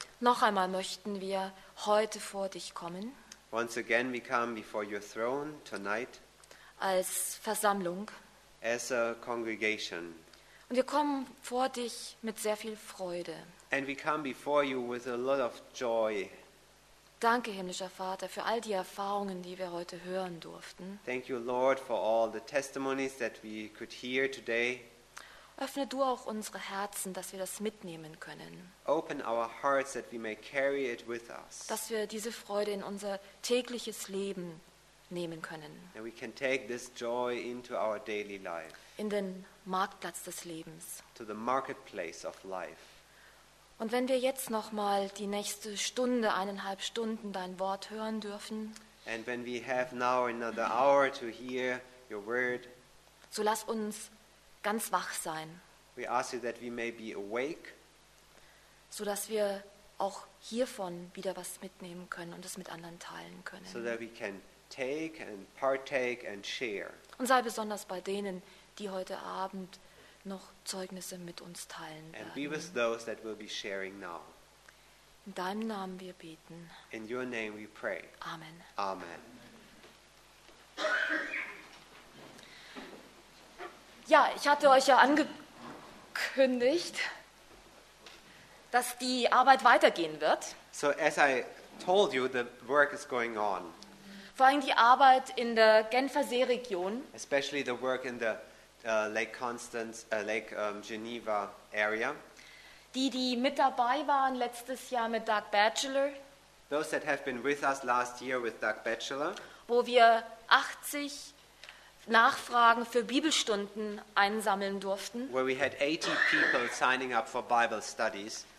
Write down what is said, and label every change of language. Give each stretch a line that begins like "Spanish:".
German: noch einmal möchten wir heute vor dich kommen.
English: Once again we come before your throne tonight.
German: Als Versammlung.
English: As a congregation.
German: Und wir kommen vor dich mit sehr viel Freude.
English: And we come before you with a lot of joy.
German: Danke, himmlischer Vater, für all die Erfahrungen, die wir heute hören durften.
English: Thank you, Lord, for all the testimonies that we could hear today.
German: Öffne du auch unsere Herzen, dass wir das mitnehmen können.
English: Open our hearts that we may carry it with us.
German: Dass wir diese Freude in unser tägliches Leben nehmen können.
English: And we can take this joy into our daily life.
German: In den Marktplatz des Lebens.
English: To the marketplace of life.
German: Und wenn wir jetzt noch mal die nächste Stunde, eineinhalb Stunden dein Wort hören dürfen.
English: And when we have now another hour to hear your word.
German: So lass uns ganz wach sein.
English: We ask you that we may be awake,
German: so dass wir auch hiervon wieder was mitnehmen können und es mit anderen teilen können.
English: So that we can take and partake and share.
German: Und sei besonders bei denen, die heute Abend noch Zeugnisse mit uns teilen werden.
English: And be with those that will be sharing now.
German: In deinem Namen wir beten.
English: In your name we pray.
German: Amen.
English: Amen.
German: Ja, ich hatte euch ja angekündigt, dass die Arbeit weitergehen wird.
English: So as I told you, the work is going on.
German: Vor allem die Arbeit in der Genfer Seeregion.
English: Especially the work in the Lake Constance, Lake Geneva area.
German: Die mit dabei waren letztes Jahr mit Doug Batchelor.
English: Those that have been with us last year with Doug Batchelor.
German: Wo wir 80 Nachfragen für Bibelstunden einsammeln durften.
English: Where we had 80 people signing up for Bible studies.